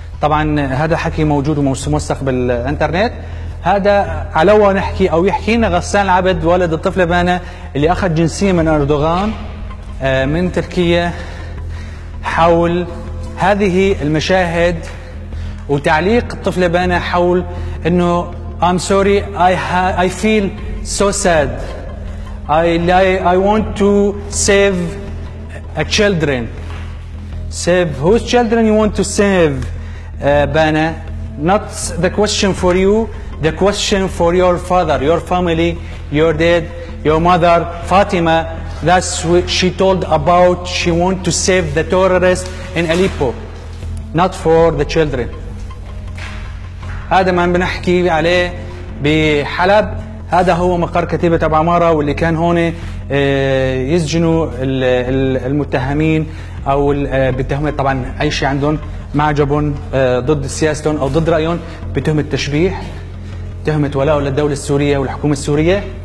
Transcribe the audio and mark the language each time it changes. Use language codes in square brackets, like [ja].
[ar] طبعا هذا حكي موجود وموثق بالانترنت. هذا علوه نحكي او يحكينا غسان العبد ولد الطفله بانا اللي اخذ جنسيه من اردوغان من تركيا، حول هذه المشاهد وتعليق الطفله بانا حول انه [en] I'm sorry I feel so sad I want to save a children. Save whose children you want to save Bana, not the question for you, the question for your father, your family, your dad, your mother, Fatima. That's what she told about, she want to save the terrorists in Aleppo, not for the children. [ar] هذا ما بنحكي عليه بحلب، هذا هو مقر كتيبة أبو عمارة واللي كان هون يسجنوا المتهمين أو بتهمة طبعا أي شيء عندهم معجبون ضد سياستهم أو ضد رأيهم، بتهمة تشبيه، تهمة ولاء للدولة السورية والحكومة السورية.